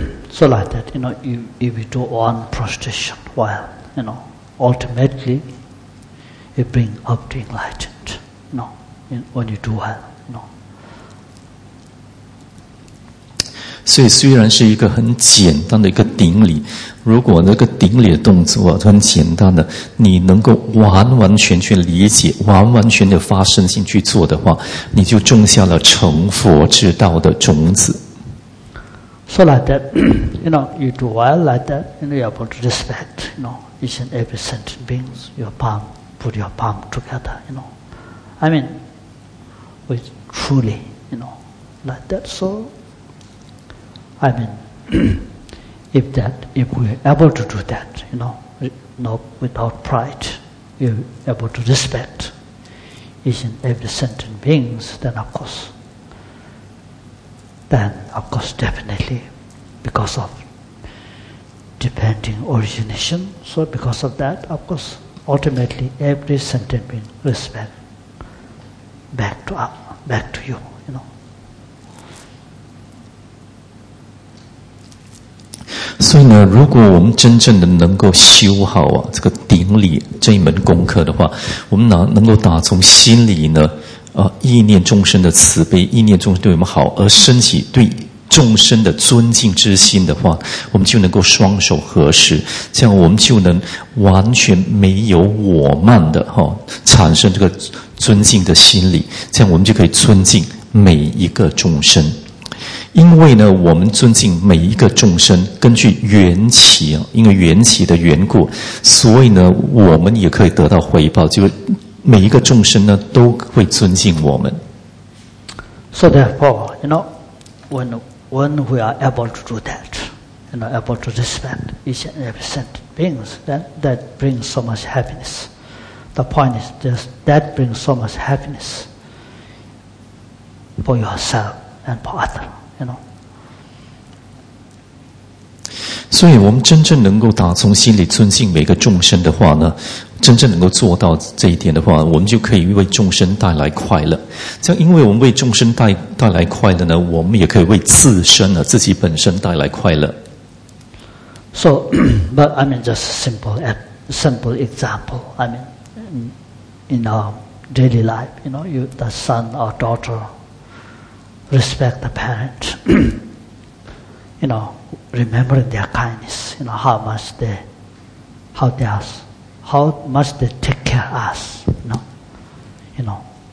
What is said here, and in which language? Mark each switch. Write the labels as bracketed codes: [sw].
[en] So like that, you know, if you do one prostration, well, you know, ultimately, it bring up to enlightenment, when you do well, [zh] So, 虽然是一个很简单的一个顶礼，如果那个顶礼的动作很简单的，你能够完完全全理解，完完全的发身心去做的话，你就种下了成佛之道的种子。 [en] So like that, you know, you do well like that, you know, you're able to respect, you know, each and every sentient being, put your palm together, you know. I mean, with truly, you know, like that. So, I mean, if we're able to do that, you know, without pride, you're able to respect each and every sentient beings, then of course, definitely, because of depending origination, so because of that, of course, ultimately, every sentient being respect back to you, you know. [zh] 所以呢，如果我们真正的能够修好啊，这个顶礼这一门功课的话，我们能够打从心里呢，意念众生的慈悲，意念众生对我们好，而升起对众生的尊敬之心的话，我们就能够双手合十，这样我们就能完全没有我慢的产生这个尊敬的心理，这样我们就可以尊敬每一个众生。因为呢，我们尊敬每一个众生，根据缘起，因为缘起的缘故，所以呢，我们也可以得到回报，就每一个众生呢都会尊敬我们。 [en] So therefore, you know, when we are able to do that, you know, able to respect each and every sent beings, then that brings so much happiness. The point is this, that brings so much happiness for yourself and for others, you know. [zh] 所以我们真正能够打从心里尊敬每个众生的话呢，真正能够做到这一点的话，我们就可以为众生带来快乐。这样因为我们为众生带来快乐呢，我们也可以为自身自己本身带来快乐。 [en] So, but I mean just simple example. I mean, in our daily life, you know, you, the son or daughter respect the parent, you know, remembering their kindness, you know, how much they take care of us, you know.